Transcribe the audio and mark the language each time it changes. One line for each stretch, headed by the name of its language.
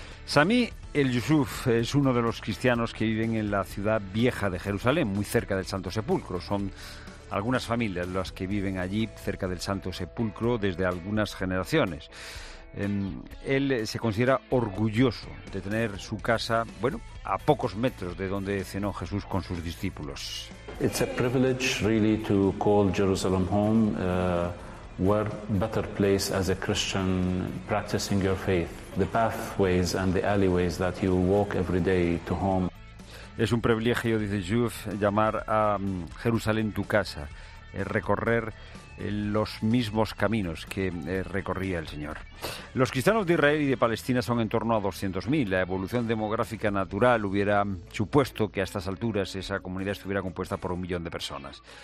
Spanish: Sami el Yusuf es uno de los cristianos que viven en la ciudad vieja de Jerusalén, muy cerca del Santo Sepulcro. Son algunas familias las que viven allí, cerca del Santo Sepulcro, desde algunas generaciones. Él se considera orgulloso de tener su casa, bueno, a pocos metros de donde cenó Jesús con sus discípulos.
English: It's a privilege really to call Jerusalem home. Where better place as a Christian practicing your faith? The pathways and the alleyways that you walk every day to home.
Spanish: Es un privilegio, dice Yusuf, llamar a Jerusalén tu casa, recorrer los mismos caminos que recorría el Señor. Los cristianos de Israel y de Palestina son en torno a 200.000. La evolución demográfica natural hubiera supuesto que a estas alturas esa comunidad estuviera compuesta por 1 millón de personas.